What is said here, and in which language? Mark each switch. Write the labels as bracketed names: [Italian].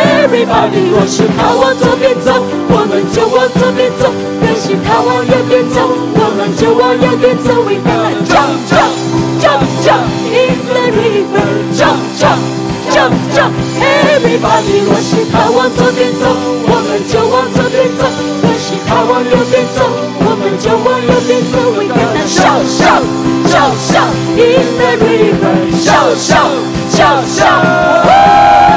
[Chinese] Everybody, 若是他往左边走，我们就往左边走；若是他往右边走，我们就往右边走。 [English] We gonna jump, jump, jump, jump in the river. Jump, jump, jump, jump. [Chinese] Everybody, 若是他往左边走，我们就往左边走；若是他往右边走，我们就往右边走。 [English] We gonna shout, shout, shout, shout in the river. Shout, shout, shout, shout.